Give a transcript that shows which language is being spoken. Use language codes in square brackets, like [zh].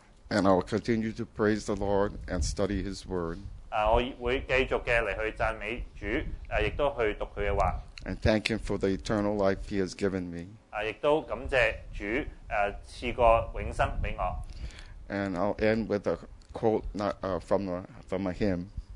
[en] And I will continue to praise the Lord and study His Word. [yue] 我會繼續嚟去讚美主，亦都去讀佢嘅話。 [en] And thank Him for the eternal life He has given me. [yue] 亦都感謝主賜過永生俾我。 [en] And I'll end with a quote from a hymn.